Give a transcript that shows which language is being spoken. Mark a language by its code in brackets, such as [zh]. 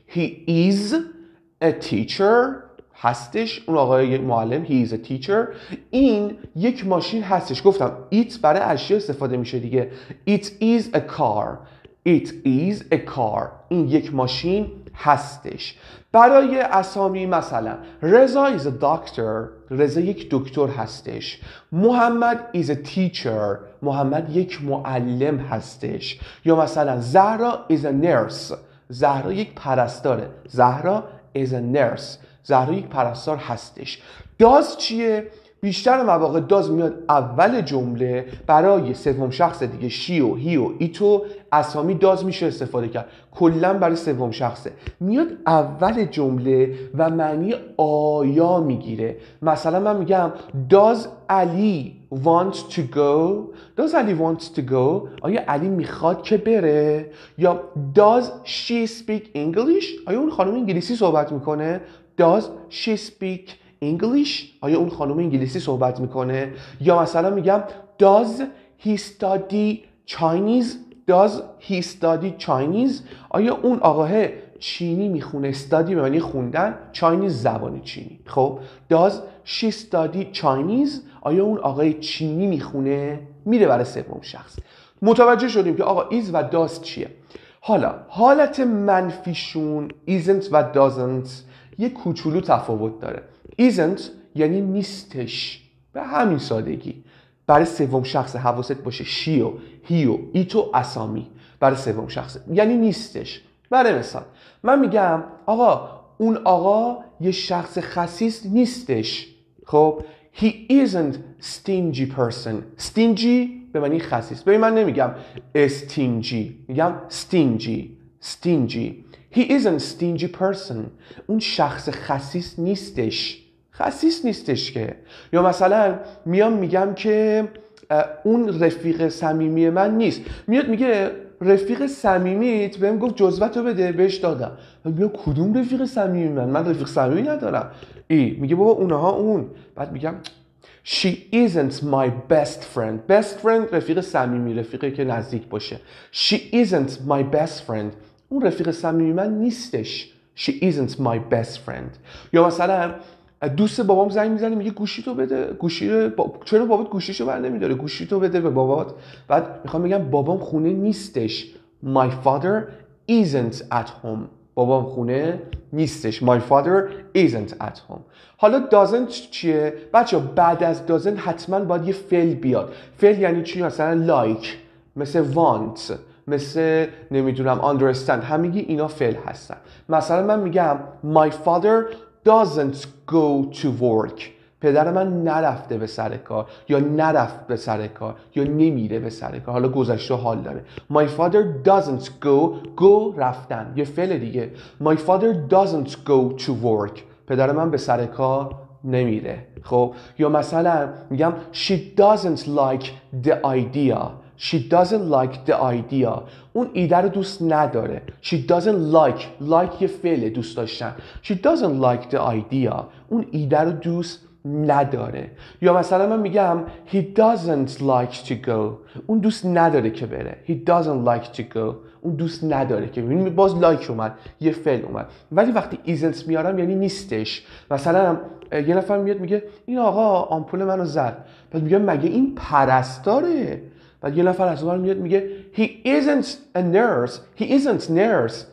[en] He is a teacher. [fa] هستش اون آقای یک معلم. [en] He is a teacher. [fa] این یک ماشین هستش. گفتم it برای اشیا استفاده میشه دیگه. [en] It is a car. It is a car. [fa] این یک ماشین هستش. برای اسامی مثلا رضا [en] is a doctor. [fa] رضا یک دکتر هستش. [en] Mohammad is a teacher. [fa] محمد یک معلم هستش. [en] یا مثلا Zahra is a nurse. [fa] زهرا یک پرستاره. [en] Zahra is a nurse. [fa] زهرا یک پرستار هستش. داز چیه؟ بیشتر مواقع داز میاد اول جمله برای سوم شخص دیگه. شی و هی و ایت و اسامی داز میشه استفاده کرد. کلن برای سوم شخصه. میاد اول جمله و معنی آیا میگیره. مثلا من میگم داز علی [en] want to go. Does Ali want to go? [fa] آیا علی میخواد که بره؟ یا [en] does she speak English? [fa] آیا اون خانم انگلیسی صحبت میکنه؟ [en] Does she speak English? [fa] آیا اون خانم انگلیسی صحبت میکنه؟ یا مثلا میگم [en] Does he study Chinese? Does he study Chinese? [fa] آیا اون آقاه چینی میخونه؟ study به معنی خوندن، Chinese زبان چینی. [en] خب Does she study Chinese? [fa] آیا اون آقاه چینی میخونه؟ میره برای سوم شخص. متوجه شدیم که آقا is و does چیه. حالا حالت منفیشون isn't و doesn't یه کوچولو تفاوت داره. isn't یعنی نیستش، به همین سادگی. برای سوم شخص حواست باشه، she و he و it و اسامی برای سوم شخص یعنی نیستش. برای مثال من میگم آقا اون آقا یه شخص خسیس نیستش. [en] خب he isn't stingy person. [fa] stingy به معنی خسیس. ببین من نمیگم stingy، میگم stingy. [en] stingy. He isn't stingy person. [fa] اون شخص خسیس نیستش. خسیس نیستش که. یا مثلا میام میگم که اون رفیق صمیمی من نیست. میاد میگه رفیق صمیمیت بهم گفت جزوتو بده، بهش دادم. میگه کدوم رفیق صمیمی من؟ من رفیق صمیمی ندارم. ای میگه بابا اونها اون. بعد میگم [en] She isn't my best friend. [fa] Best friend رفیق صمیمی، رفیقی که نزدیک باشه. [en] She isn't my best friend. [fa] اون رفیق صمیمی من نیستش. [en] She isn't my best friend. [fa] یا مثلا دوست بابام زنگ میزنه میگه گوشی تو بده، گوشی چرا بابات گوشیشو بر نمیداره، گوشی تو بده به بابات. بعد میخوام بگم بابام خونه نیستش. [en] My father isn't at home. [fa] بابام خونه نیستش. [en] My father isn't at home. [fa] حالا doesn't چیه؟ بچه بعد از doesn't حتما باید یه فعل بیاد. فعل یعنی چی؟ مثلا like، مثل want، مثل نمیدونم understand، همیگی اینا فعل هستن. مثلا من میگم [en] My father doesn't go to work. [fa] پدر من نرفته به سر کار، یا نرفت به سر کار، یا نمیره به سر کار. حالا گذشته حال داره. [en] My father doesn't go. [fa] go رفتن یه فعل دیگه. [en] My father doesn't go to work. [fa] پدر من به سر کار نمیره. خب یا مثلا میگم [en] She doesn't like the idea. She doesn't like the idea. [fa] اون ایده رو دوست نداره. [en] She doesn't like. [fa] like یه فعل دوست داشتن. [en] She doesn't like the idea. [fa] اون ایده رو دوست نداره. یا مثلا من میگم [en] He doesn't like to go. [fa] اون دوست نداره که بره. [en] He doesn't like to go. [fa] اون دوست نداره که بره. باز like اومد، یه فعل اومد. ولی وقتی isn't میارم یعنی نیستش. مثلا یه نفر میاد میگه این آقا آمپول منو زد. بعد میگم مگه این پرستاره؟ بعد یه نفر از اون میاد میگه [en] he isn't a nurse, he isn't nurse.